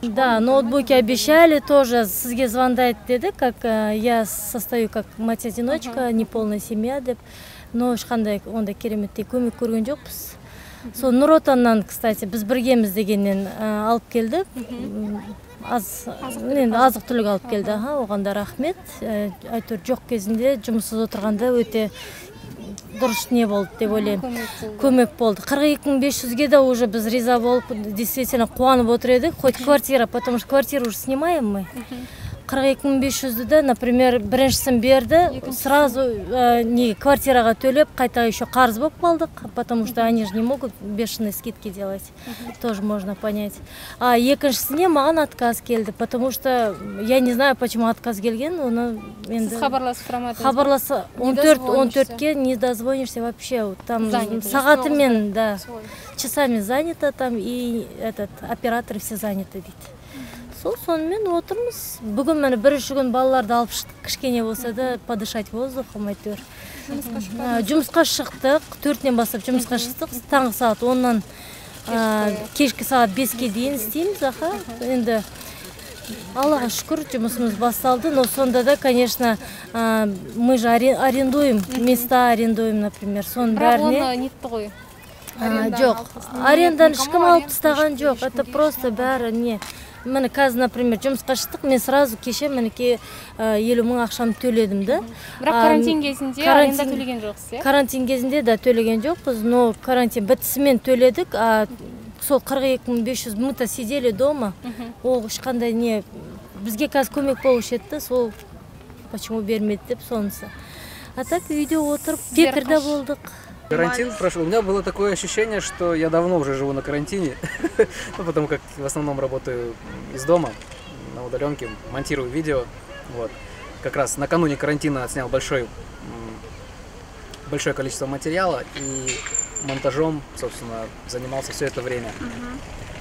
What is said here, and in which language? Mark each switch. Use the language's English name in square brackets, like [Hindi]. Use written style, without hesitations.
[Russian] Да, ноутбуки обещали, тоже [Kazakh] сізге звондайды деді, [Russian] как я состою как мать одиночка, не полная семья [Kazakh] деп, [Russian] но [Kazakh] ешқандай ондай кереметтей көмек көрген жоқпыз. Сол Нұр Отаннан, [Russian] кстати, [Kazakh] біз біргеміз дегеннен алып келді. Азық түлік алып келді, оған да рахмет. Әйтеуір жоқ кезінде жұмыссыз отырғанда өте дұрыс не болды деп ойлаймын. Көмек болды. [Russian] 42 500-ге де уже [Kazakh] біз риза болып [Russian] действительно [Kazakh] қуанып отыр едік. [Russian] Хоть квартира, потому что квартиру уже снимаем мы. 42500-ді, например, [Kazakh] біріншісін берді, [Russian] сразу [Kazakh] квартираға төлеп, қайта [Russian] еще [Kazakh] қарыз боп қалдық, [Russian] потому что они же не могут бешеные скидки делать, тоже можно понять. А [Kazakh] екіншісіне маған [Russian] отказ [Kazakh] келді, [Russian] потому что я не знаю, почему отказ [Kazakh] келген, оны енді... Сіз хабарласып тұрмадыңыз? Хабарласып, [Russian] 14-14-ке не дозвонишься вообще, там [Kazakh] сағатымен, [Russian] да, часами занято там, и этот операторы все заняты [Kazakh] дейді. Сонымен отырмыз. Бүгін мені бірінші күн балаларды алып шықтық, кішкене болса да [Russian] подышать воздухом [Kazakh] әйтеуір. Жұмысқа шықтық, төртінен бастап жұмысқа шықтық. Таңғы сағат 10-нан кешкі сағат 5-ке дейін істейміз. Енді Аллаға шүкір жұмысымыз басталды. [Russian] Но [Kazakh] сонда да, [Russian] конечно, мы же арендуем, места арендуем, например. [Kazakh] Соның бәріне... Арендан ешкім алып тастаған жоқ. [Russian] Это просто [Kazakh] бәрі не. Міне қазір, например, жұмысқа шықтық, мен сразу кеше мінекей 50,000 ақшамды төледім, да. Бірақ карантин кезінде аренда төлеген жоқсыз, иә? Карантин кезінде да төлеген жоқпыз, но карантин бітісімен төледік, а сол 42500 [Russian] мы-то сидели дома. [Kazakh] Ол ешқандай не, бізге қазір көмек болушы еді, сол почему бермеді деп сонысы. А так үйде отырып, пекірде болдық. [Russian] Карантин прошел. У меня было такое ощущение, что я давно уже живу на карантине, ну, потому как в основном работаю из дома, на удаленке, монтирую видео. Вот. Как раз накануне карантина отснял большое количество материала и монтажом, собственно, занимался все это время. Угу.